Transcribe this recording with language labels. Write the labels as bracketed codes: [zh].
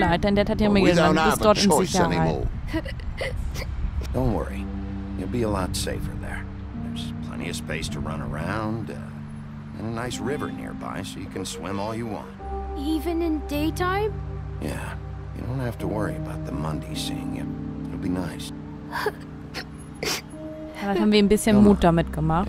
[de] Leid, dein Dad hat ja mir gesagt, du bist dort in Sicherheit. [en] Don't worry, you'll be a lot safer there. There's plenty of space to run around, and a nice river nearby, so you can swim all you want. Even in daytime? Yeah, you don't have to worry about the Mundy seeing you. It'll be nice. [de] Vielleicht haben wir ein bisschen Mut damit gemacht.